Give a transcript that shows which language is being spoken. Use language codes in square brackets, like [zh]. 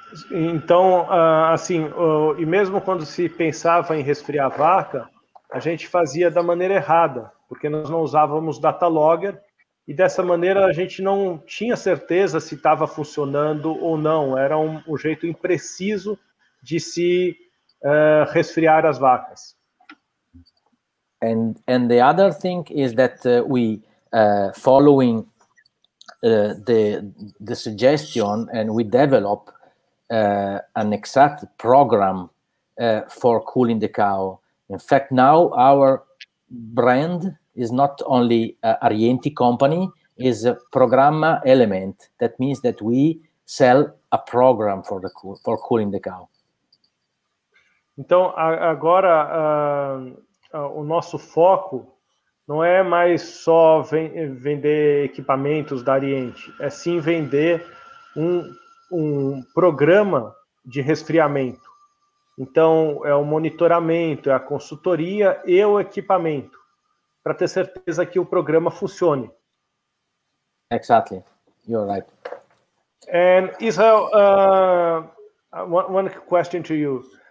[pt] Então, assim, e mesmo quando se pensava em resfriar a vaca, a gente fazia da maneira errada, porque nós não usávamos data logger, e dessa maneira a gente não tinha certeza se estava funcionando ou não. Era um jeito impreciso de se resfriar as vacas. [en] And the other thing is that we following the suggestion and we develop an exact program for cooling the cow. In fact, now our brand is not only Arienti company, is a programma element. That means that we sell a program for cooling the cow. [pt] Então, agora, o nosso foco não é mais só vender equipamentos da Arienti, é sim vender um programa de resfriamento. Então, é o monitoramento, é a consultoria e o equipamento, para ter certeza que o programa funcione. [en] Exactly. You're right. And Israel, one question to you.